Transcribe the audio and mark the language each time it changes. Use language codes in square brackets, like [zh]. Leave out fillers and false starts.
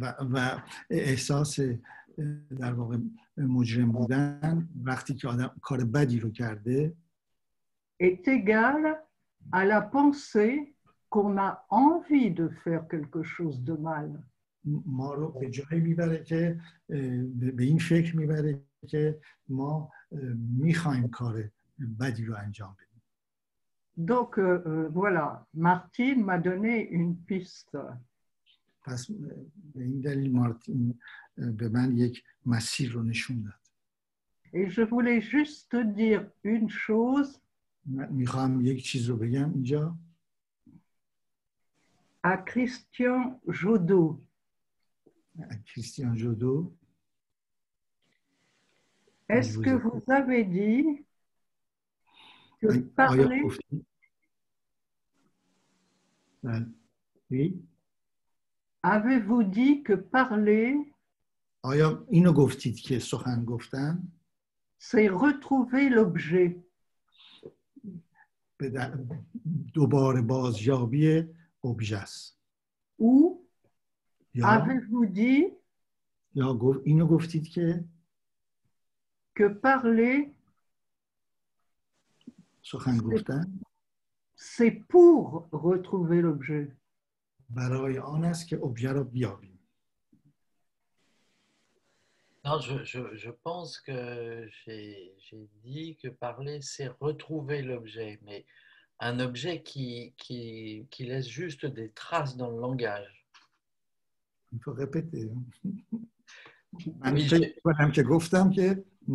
[fa] و احساس در واقع مجرم بودن وقتی که آدم کار بدی رو کرده [fr] est égal à la pensée qu'on a envie de faire quelque chose de mal. [fa] ما رو به جایی میبره که به این فکر میبره که ما میخوایم کار بدی رو انجام بدیم. [fr] Donc voilà, Martine m'a donné une piste. [fa] پس به این دلیل مارتین به من یک مسیر رو نشون داد. [fr] Et je voulais juste dire une chose. [fa] می‌خوام یک چیز رو بگم اینجا. [fr] À Christian Jodo. À Christian Jodo. Est-ce que vous avez dit que parler? Oui. Avez-vous dit que parler, [fa] آیا اینو گفتید که سخن گفتن [fr] c'est retrouver l'objet. [fa] دوباره بازیابی ابژه است. [fr] Ou avez-vous dit [fa] یا اینو گفتید که [fr] parler [fa] سخن گفتن [fr] c'est pour retrouver l'objet. [fa] برای آن است که اوبژه رو بیابیم. [fr] Non, je pense que j'ai dit que parler c'est retrouver l'objet, mais un objet qui laisse juste des traces dans le langage. Il faut répéter. Madame que [fa] گفتم که